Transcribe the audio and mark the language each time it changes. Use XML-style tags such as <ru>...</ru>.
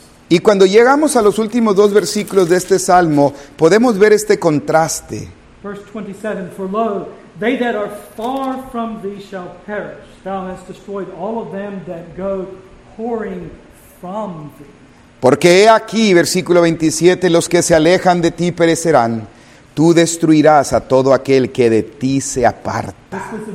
<es>Y cuando llegamos a los últimos dos versículos de este Salmo, podemos ver este contraste.</es> <en>Verse 27, for lo, they that are far from thee shall perish. Thou hast destroyed all of them that go whoring from thee.</en> <es>Porque he aquí, versículo 27, los que se alejan de ti perecerán. Tú destruirás a todo aquel que de ti se aparta.</es>